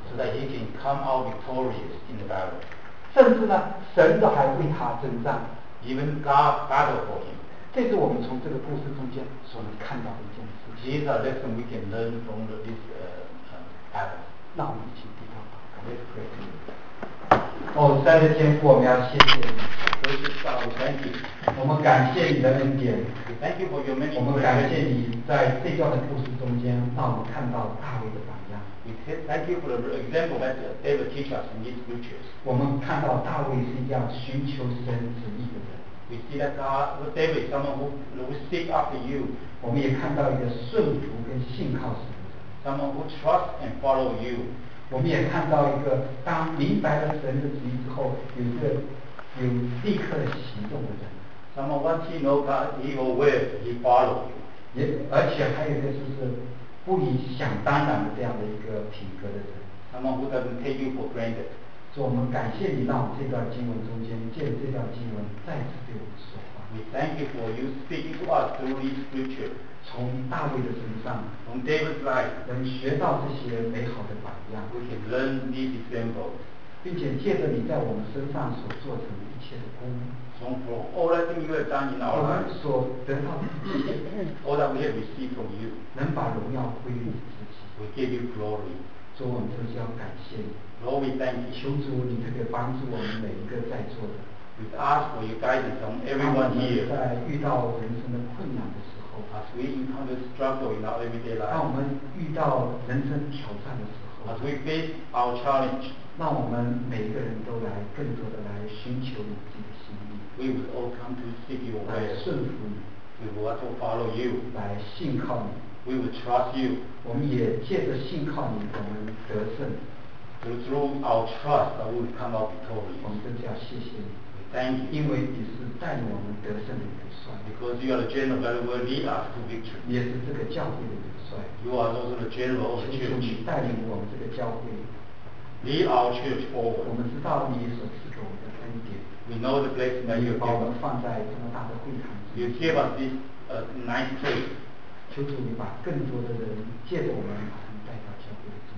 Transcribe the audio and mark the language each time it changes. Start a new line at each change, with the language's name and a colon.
English: So that he can come out victorious in the battle.
Chinese: 甚至呢，神都还为他征战。
English: Even God battled for him.
Chinese: 这是我们从这个故事中间所能看到的一件事。
English: These are lessons we can learn from this Adam.
Chinese: 那我们一起低头祷告。
English: Let's pray.
Chinese: 哦，在这天父，我们要谢谢你。
English: So just thank you.
Chinese: 我们感谢你的恩典。
English: Thank you for your many.
Chinese: 我们感谢你在这段的故事中间，让我们看到大卫的榜样。
English: We thank you for the example that David teach us in these scriptures.
Chinese: 我们看到大卫是一样寻求神旨意的人。
English: We see that God, David, someone who seek after you.
Chinese: 我们也看到一个顺服跟信靠神。
English: Someone who trust and follow you.
Chinese: 我们也看到一个当明白了神的旨意之后，有立刻的行动的人。
English: Someone once he know God, he will will, he follow you.
Chinese: 也而且还有一个就是不以想当然的这样的一个品格的人。
English: Someone who doesn't take you for granted.
Chinese: 所以我们感谢你，让我们这段经文中间借着这段经文再次对我们说话。
English: We thank you for you speaking to us through this scripture.
Chinese: 从大卫的身上，
English: 从 David's life，
Chinese: 能学到这些美好的榜样。
English: We can learn these examples，
Chinese: 并且借着你在我们身上所做成一切的功，
English: 从 from all that you have done in our life，
Chinese: 我们所得到的一切
English: ，all that we have received from you，
Chinese: 能把荣耀归于你自己。
English: We give you glory。
Chinese: 所以我们真的是要感谢你。
English: Lord, we thank you.
Chinese: 求主你特别帮助我们每一个在座的。
English: We ask for your guidance on everyone here.
Chinese: 在遇到人生的困难的时候。
English: As we encounter struggle in our everyday life.
Chinese: 当我们遇到人生挑战的时候。
English: As we face our challenge.
Chinese: 让我们每一个人都来更多的来寻求你自己的心意。
English: We will all come to seek your way.
Chinese: 来顺服你。
English: We will also follow you.
Chinese: 来信靠你。
English: We will trust you.
Chinese: 我们也借着信靠你，我们得胜。
English: Through our trust, we will come out victorious.
Chinese: 我们真的要谢谢你。
English: We thank you.
Chinese: 因为你是带领我们得胜的元帅。
English: Because you are the general that will lead us to victory.
Chinese: 你也是这个教会的元帅。
English: You are also the general of the church.
Chinese: 求求你带领我们这个教会。
English: Lead our church forward.
Chinese: 我们知道你所赐给我们的恩典。
English: We know the place that you have given us.
Chinese: 放在这么大的会堂。
English: You give us this nice place.
Chinese: 求主你把更多的人借着我们把他们带到教会中。